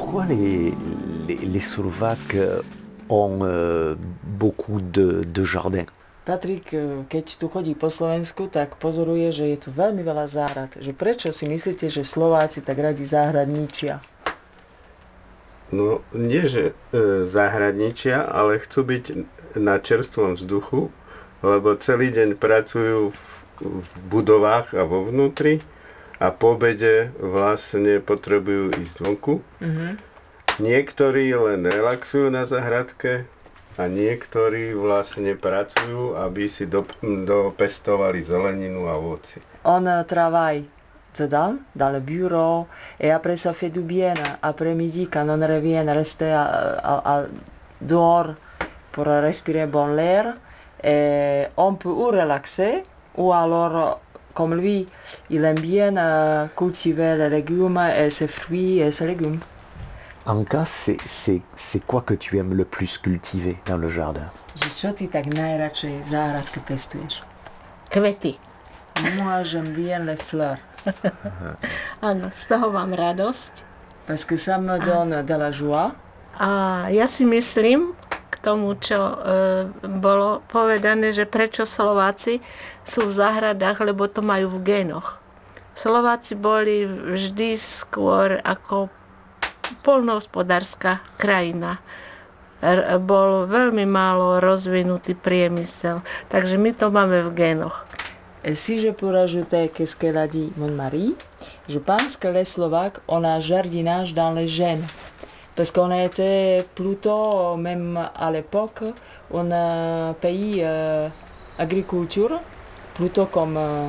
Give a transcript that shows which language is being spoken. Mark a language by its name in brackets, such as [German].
[French] Les Slovaques ont beaucoup de jardins. [Slovak] Patrick, keď tu chodí po Slovensku, tak pozoruje, že je tu veľmi veľa záhrad. Že prečo si myslíte, že Slováci tak radi záhradničia? No, nie že záhradničia, ale chcú byť na čerstvom vzduchu, lebo celý deň pracujú v budovách a vo vnútri a po obede vlastne potrebujú ísť vonku. Mm-hmm. Niektorí len relaxujú na zahradke a niektorí vlastne pracujú, aby si dopestovali zeleninu a ovoci. [French] On travaille dedans, dans le bureau, et après ça fait du bien. Après midi, quand on revient, reste à dehors pour respirer bon l'air, et on peut ou relaxer, ou alors, comme lui, il aime bien cultiver les légumes et ses fruits et ses légumes. Anka, c'est quoi que tu aimes le plus cultiver dans le jardin? [Slovak] Čo ty tak najradšej v záhradke pestuješ? Kvety. [French] Moi, j'aime bien les fleurs. [Slovak] Áno, z toho mám radosť. [French] Parce que ça me donne de la joie. [Slovak] A ja si myslím k tomu, čo bolo povedané, že prečo Slováci sú v záhradách, lebo to majú v génoch. Slováci boli vždy skôr ako poľnohospodárska krajina. Bol veľmi málo rozvinutý priemysel. Takže my to máme v génoch. [French] Et si je peux rajouter que ce qu'elle a dit mon mari, je pense que les Slovaques ont un jardinage dans les gènes. Parce qu'on a été plutôt, même à l'époque, un pays agriculture, plutôt comme